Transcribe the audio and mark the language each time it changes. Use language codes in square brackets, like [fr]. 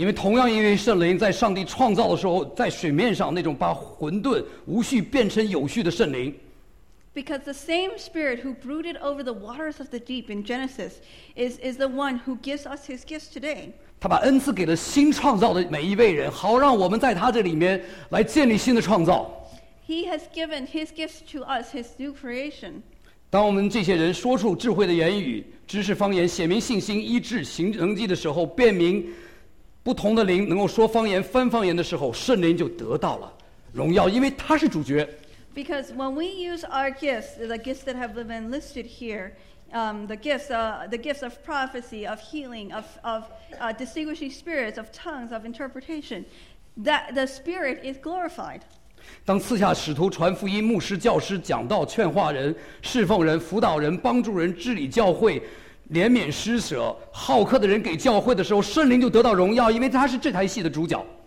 [zh] 因为同样因为圣灵在上帝创造的时候，在水面上那种把混沌无序变成有序的圣灵。 [en] Because the same Spirit who brooded over the waters of the deep in Genesis is the one who gives us His gifts today. [zh] 他把恩赐给了新创造的每一位人，好让我们在他这里面来建立新的创造。 [en] He has given His gifts to us, His new creation. [zh] 当我们这些人说出智慧的言语、知识方言、显明信心、医治、行能迹的时候，辨明不同的灵能够说方言、翻方言的时候，圣灵就得到了荣耀，因为他是主角。 [en] Because when we use our gifts, the gifts that have been listed here, the gifts of prophecy, of healing, of distinguishing spirits, of tongues, of interpretation, that the Spirit is glorified. [zh] 当赐下使徒传福音、牧师、教师、讲道、劝化人、侍奉人、辅导人、帮助人、治理教会、怜悯施舍、好客的人给教会的时候，圣灵就得到荣耀，因为他是这台戏的主角。